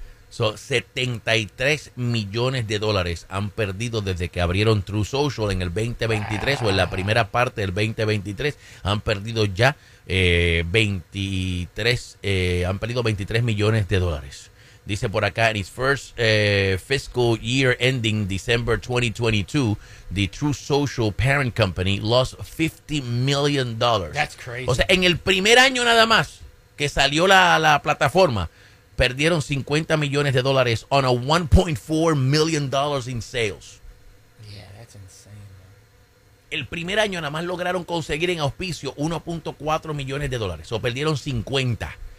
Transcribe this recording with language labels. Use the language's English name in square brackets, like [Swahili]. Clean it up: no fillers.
[Spanish] Son 73 millones de dólares han perdido desde que abrieron True Social en el 2023 o en la primera parte del 2023. Han perdido ya 23 millones de dólares. Dice por acá, [English] en its first fiscal year ending December 2022, the True Social parent company lost $50 million. That's crazy. [Spanish] O sea, en el primer año nada más que salió la plataforma, perdieron 50 millones de dólares [English] on a $1.4 million in sales. Yeah, that's insane, man. [Spanish] El primer año nada más lograron conseguir en auspicio 1.4 millones de dólares. O perdieron 50.